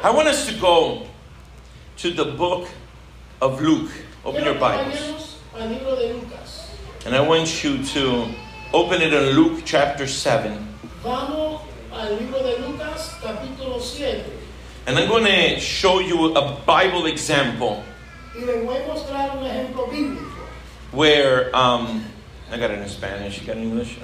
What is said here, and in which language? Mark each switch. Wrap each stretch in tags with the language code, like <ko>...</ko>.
<en>I want us to go to the book of Luke. Open</en> <es>quiero</es> <en>your Bibles.</en> <es>Al libro de Lucas.</es> <en>And I want you to open it in Luke chapter 7.</en> <es>Vamos al libro de Lucas, capítulo 7.</es> <en>And I'm going to show you a Bible example.</en> <es>Y le voy a mostrar un ejemplo bíblico.</es> <en>Where, I got it in Spanish, you got it in English?</en>